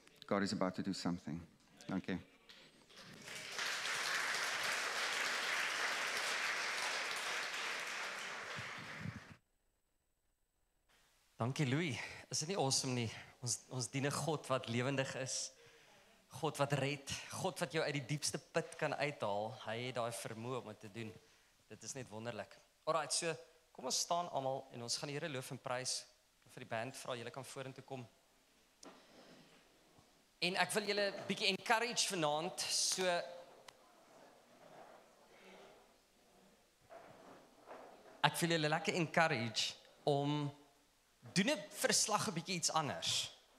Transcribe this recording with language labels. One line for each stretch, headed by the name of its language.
English: God is about to do something.
Afrikaans: Dank jy. Dank jy Louis. Is dit nie awesome nie? Ons dien 'n God wat lewendig is. God wat red. God wat jou uit die diepste put kan uithaal. Hy het daai vermoë om dit te doen. Dit is net wonderlik. Alright, so kom ons staan allemaal en ons gaan die Here loof en prys vir die band, vra julle kan vorentoe kom. En ek wil julle bietjie encourage vanaand, so ek wil julle lekker encourage om doen 'n verslag 'n bietjie iets anders.